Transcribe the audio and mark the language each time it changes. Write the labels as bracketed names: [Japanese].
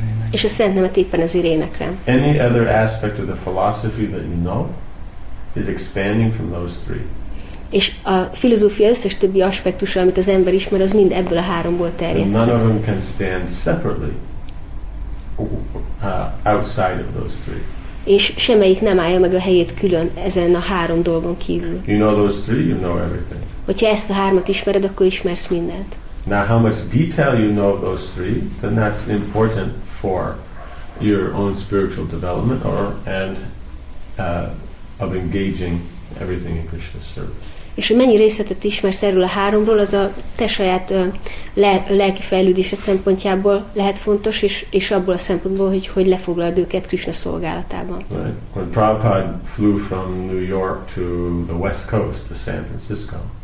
[Hungarian] És a szent nemet éppen ezért éneklem. [English] Any other aspect of the philosophy that you know is expanding from those three. [Hungarian] És a filozófia összes többi aspektusa, amit az ember ismer, az mind ebből a háromból terjed. [English] And none of them can stand separately outside of those three. [Hungarian] És semmelyik nem állja meg a helyét külön ezen a három dolgon kívül. [English] You know those three, you know everything. [Hungarian] Hogyha ezt a hármat ismered, akkor ismersz mindent. [English] Now how much detail you know of those three, then that's important for your own spiritual development of engaging everything in Krishna's service. [Hungarian] És hogy mennyi részletet ismersz erről a háromról, az a te saját lelki fejlődésed szempontjából lehet fontos, és abból a szempontból, hogy lefoglalod őket Krishna szolgálatában. [English] Right. When Prabhupada flew from New York to the West Coast, to San Francisco.